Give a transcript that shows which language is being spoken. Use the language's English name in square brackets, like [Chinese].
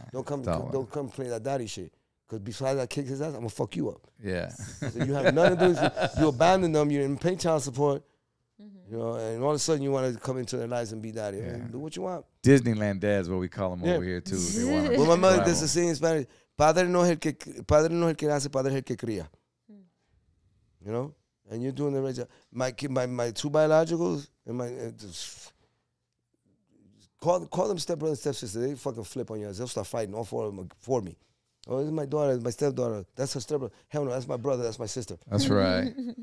[English] Don't come play that daddy shit. Because besides I kick his ass, I'm going to fuck you up. Yeah. So you have nothing to do with you. You abandon them. You didn't pay child support. Mm-hmm. You know, and all of a sudden you want to come into their lives and be daddy. Yeah. I mean, do what you want. Disneyland dads, what we call them over here, too. Well, my mother does the same in Spanish. [Spanish] Padre no es el que nace, padre es el que cría. [English] Mm. You know? And you're doing the right job. My two biologicals, and my call them stepbrother and stepsister. They fucking flip on you. They'll start fighting, all four of them, for me. Oh, this is my daughter, my stepdaughter. That's her stepbrother. Hell no, that's my brother, that's my sister. That's right.